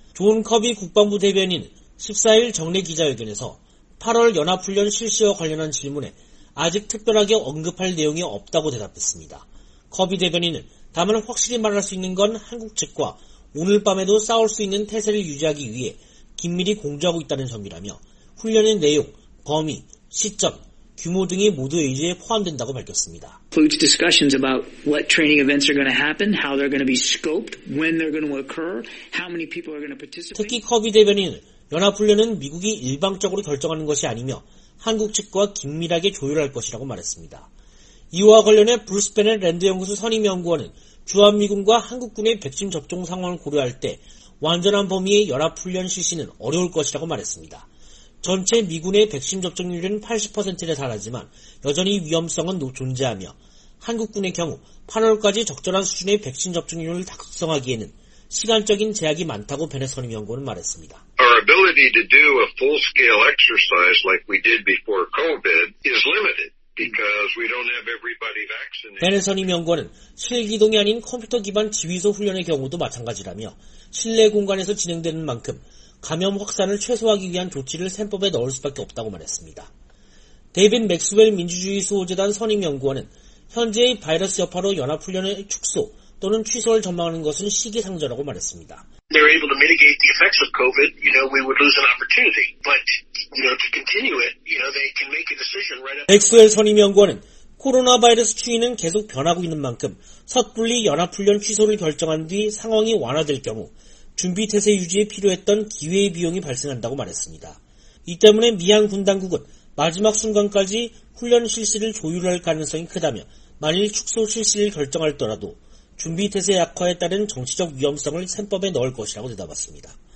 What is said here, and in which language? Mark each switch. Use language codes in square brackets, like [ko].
[ko] 존 커비 국방부 대변인 14일 정례 기자회견에서 8월 연합훈련 실시와 관련한 질문에 아직 특별하게 언급할 내용이 없다고 대답했습니다. 커비 대변인은 다만 확실히 말할 수 있는 건 한국 측과 오늘 밤에도 싸울 수 있는 태세를 유지하기 위해 긴밀히 공조하고 있다는 점이라며 훈련의 내용, 범위, 시점, 규모 등이 모두 의제에 포함된다고 밝혔습니다. [en] Includes discussions about what training events are going to happen, how they're going to be scoped, when they're going to occur, how many people are going to participate. [ko] 특히 커비 대변인은 연합훈련은 미국이 일방적으로 결정하는 것이 아니며 한국 측과 긴밀하게 조율할 것이라고 말했습니다. 이와 관련해 브루스 베넷 랜드연구소 선임연구원은 주한미군과 한국군의 백신 접종 상황을 고려할 때 완전한 범위의 연합훈련 실시는 어려울 것이라고 말했습니다. 전체 미군의 백신 접종률은 80%를 달하지만 여전히 위험성은 존재하며 한국군의 경우 8월까지 적절한 수준의 백신 접종률을 달성하기에는 시간적인 제약이 많다고 베넷 선임연구원은 말했습니다. [en] Our ability to do a full-scale exercise like we did before COVID is limited because we don't have everybody vaccinated. [ko] 베넷 선임연구원은 실기동이 아닌 컴퓨터 기반 지휘소 훈련의 경우도 마찬가지라며 실내 공간에서 진행되는 만큼 감염 확산을 최소화하기 위한 조치를 셈법에 넣을 수밖에 없다고 말했습니다. 데이빈 맥스웰 민주주의 수호재단 선임연구원은 현재의 바이러스 여파로 연합훈련의 축소 또는 취소를 전망하는 것은 시기상조라고 말했습니다. [en] They're able to mitigate the effects of COVID. You know, we would lose an opportunity. But, you know, to continue it, you know, they can make a decision right up. [ko] 맥스웰 선임연구원은 코로나 바이러스 추이는 계속 변하고 있는 만큼 섣불리 연합훈련 취소를 결정한 뒤 상황이 완화될 경우 준비태세 유지에 필요했던 기회의 비용이 발생한다고 말했습니다. 이 때문에 미한 군당국은 마지막 순간까지 훈련 실시를 조율할 가능성이 크다며 만일 축소 실시를 결정할더라도 준비태세 약화에 따른 정치적 위험성을 셈법에 넣을 것이라고 대답했습니다.